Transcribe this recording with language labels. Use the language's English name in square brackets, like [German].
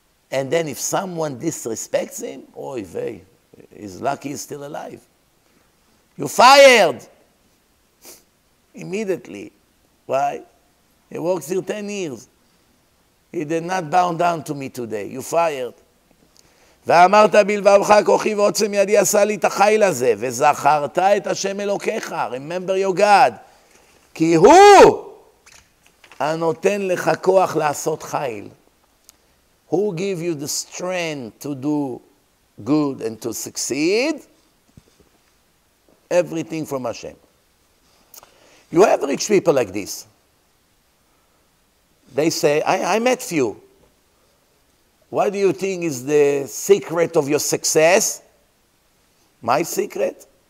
[English] And then if someone disrespects him, oy vey, he's lucky he's still alive. You're fired! Immediately. Why? He works here 10 years. He did not bow down to me today. You fired. [Hebrew] ואמרת בלבבך כוחי ועוצם ידי עשה לי את החיל הזה, וזכרת את השם אלוקיך, [English] remember your God, [Hebrew] כי הוא הנותן לך כוח לעשות חיל. [English] Who give you the strength to do good and to succeed? Everything from Hashem. You have rich people like this. They say, I met few. What do you think is the secret of your success? My secret?